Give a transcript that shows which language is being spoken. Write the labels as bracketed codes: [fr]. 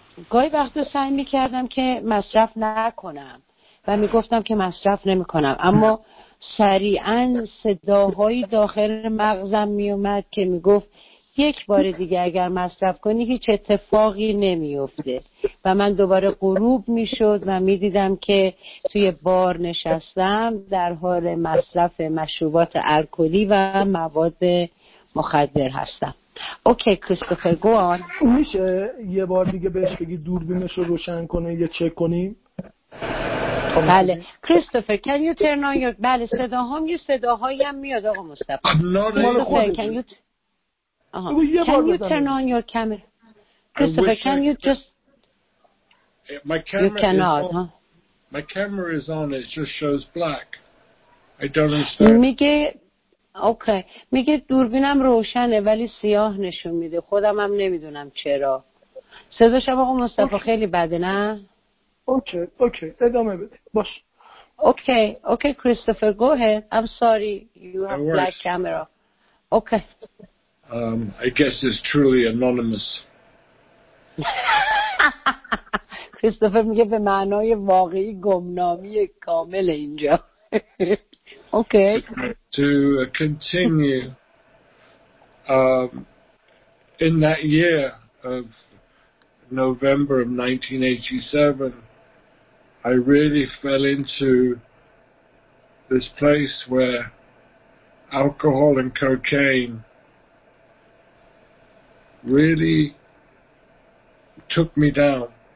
[fa] گاهی وقتا سعی می کردم که مصرف نکنم و می گفتم که مصرف نمی کنم، اما سریعا صداهای داخل مغزم می اومد که می گفت یک بار دیگه اگر مصرف کنی هیچ اتفاقی نمی افته و من دوباره غروب می شد و می دیدم که توی بار نشستم در حال مصرف مشروبات الکلی و مواد مخدر هستم. [en] Okay Christopher go on. [fa] میشه یه بار دیگه بهش بگی دوربینش رو روشن کنه یه چک کنیم؟ [en] بله Christopher can you turn on your... [fa] بله صداهام یه صداهایی هم میاد آقا مصطفی. کریستوفر [en] can you can you turn on your camera? Christopher, can you just... My camera, you cannot, is on, huh? My camera is on, it just shows black. I don't understand. [fa] میگه... Okay. میگه دوربینم روشنه ولی سیاه نشون میده. خودم هم نمیدونم چرا. صداش هم آقا مصطفی خیلی بده نه؟ Okay. ادامه بده. باش. [en] Okay, Christopher, go ahead. I'm sorry, you have black camera. Okay. I guess it's truly anonymous. [fa] Christopher میگه به معنای واقعی گمنامی کامل اینجا. [en] Okay. To continue, in that year of November of 1987, I really fell into this place where alcohol and cocaine really took me down.